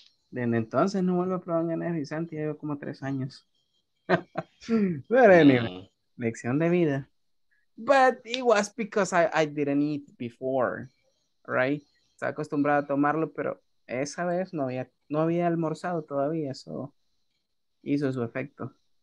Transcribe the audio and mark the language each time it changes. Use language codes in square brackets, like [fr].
[es] Desde entonces no vuelvo a probar en energizante, llevo como 3 años. Pero, anyway, lección de vida. [en] But it was because I didn't eat before. right? [es] Estaba acostumbrado a tomarlo, pero esa vez no había almorzado todavía, eso hizo su efecto.